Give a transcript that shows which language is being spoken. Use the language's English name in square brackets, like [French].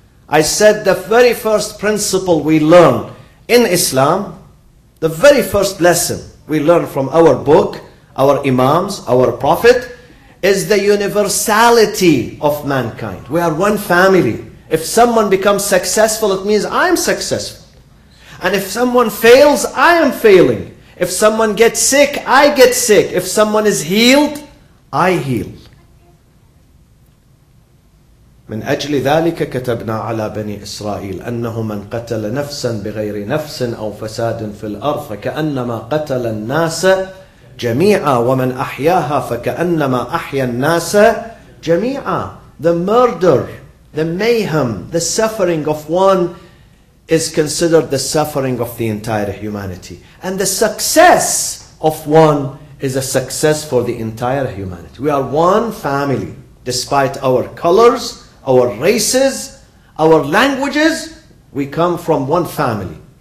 [English] I said the very first principle we learn in Islam, the very first lesson we learn from our book, our imams, our prophet, is the universality of mankind. We are one family. If someone becomes successful, it means I'm successful. And if someone fails, I am failing. If someone gets sick, I get sick. If someone is healed, I heal. [Arabic] من أجل ذلك كتبنا على بني إسرائيل أنه من قتل نفسا بغير نفس أو فساد في الأرض فكأنما قتل الناس جميعا ومن أحياها فكأنما أحيا الناس جميعا. [English] The murder, the mayhem, the suffering of one is considered the suffering of the entire humanity. And the success of one is a success for the entire humanity. We are one family despite our colors, our races, our languages, we come from one family.